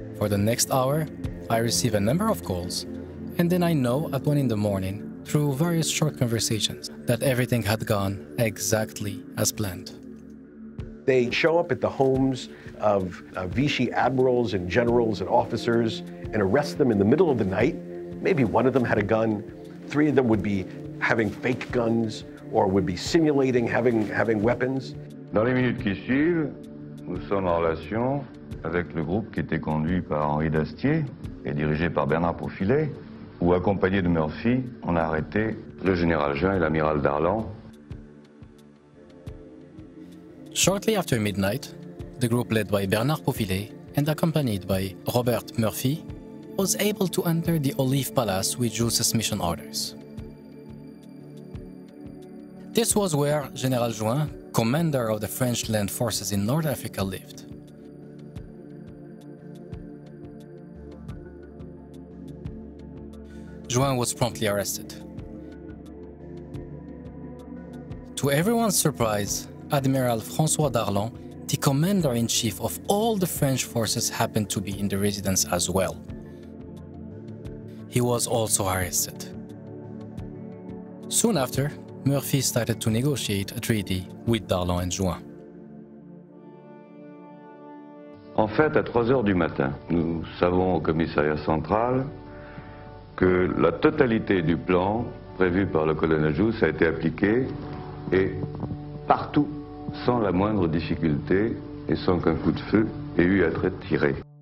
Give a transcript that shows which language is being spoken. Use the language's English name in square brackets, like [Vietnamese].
[English] For the next hour, I receive a number of calls, and then I know at 1 in the morning, through various short conversations, that everything had gone exactly as planned. They show up at the homes of Vichy admirals and generals and officers and arrest them in the middle of the night. Maybe one of them had a gun. Three of them would be having fake guns or would be simulating having weapons. [French] Dans les minutes qui suivent, nous sommes en relation avec le groupe qui était conduit par Henri Dastier et dirigé par Bernard Profilet, où accompagné de Murphy, on a arrêté le général Jean et l'amiral Darlan. [English] Shortly after midnight, the group led by Bernard Profilet and accompanied by Robert Murphy was able to enter the Olive Palace with Jules' mission orders. This was where General Juin, commander of the French land forces in North Africa, lived. Juin was promptly arrested. To everyone's surprise, Admiral François Darlan, the commander-in-chief of all the French forces, happened to be in the residence as well. He was also arrested. Soon after, Murphy started to negotiate a treaty with Darlan and Juin. [French] En fait, à 3h du matin, nous savons au commissariat central que la totalité du plan prévu par le colonel Jousse a été appliquée et partout, sans la moindre difficulté et sans qu'un coup de feu ait eu à être tiré.